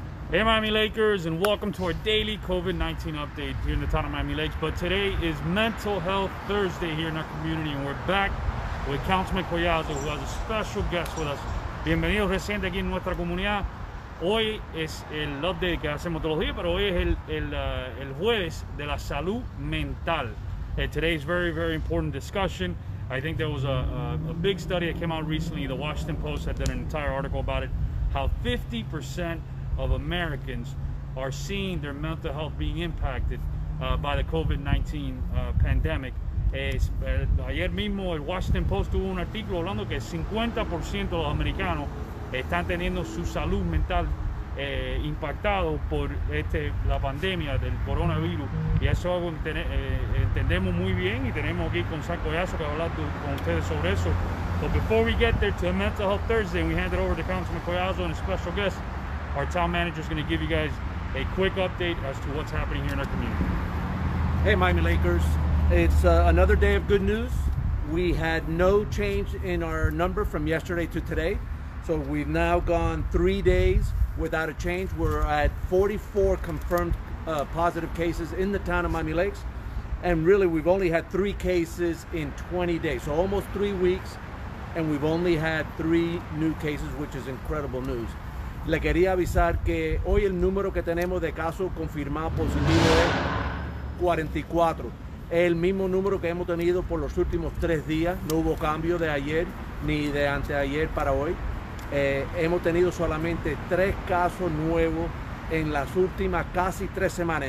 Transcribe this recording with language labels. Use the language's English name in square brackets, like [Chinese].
[English] Hey Miami Lakers, and welcome to our daily COVID-19 update here in the town of Miami Lakes. But today is Mental Health Thursday here in our community, and we're back with Councilman Collazo, who has a special guest with us. [Spanish] Bienvenidos recientes aquí en nuestra comunidad. Hoy es el update que hacemos todos los días, pero hoy es el jueves de la salud mental. [English] Today is very, very important discussion. I think there was a big study that came out recently. The Washington Post had done an entire article about it, how 50% of Americans are seeing their mental health being impacted by the COVID-19 pandemic. [Spanish] Ayer mismo el Washington Post tuvo un artículo hablando que 50% de los americanos están teniendo su salud mental impactado por la pandemia del coronavirus. Y eso es algo que entendemos muy bien, y tenemos aquí con San Collazo que hablar con ustedes sobre eso. [English] But before we get there to the Mental Health Thursday, we hand it over to Councilman Collazo and a special guest. Our town manager is going to give you guys a quick update as to what's happening here in our community. Hey, Miami Lakers. It's another day of good news. We had no change in our number from yesterday to today. So we've now gone 3 days without a change. We're at 44 confirmed positive cases in the town of Miami Lakes. And really, we've only had 3 cases in 20 days. So almost 3 weeks, and we've only had 3 new cases, which is incredible news. [Spanish] Le quería avisar que hoy el número que tenemos de casos confirmados positivos es 44. Es el mismo número que hemos tenido por los últimos 3 días. No hubo cambio de ayer ni de anteayer para hoy. Hemos tenido solamente 3 casos nuevos en las últimas casi 3 semanas.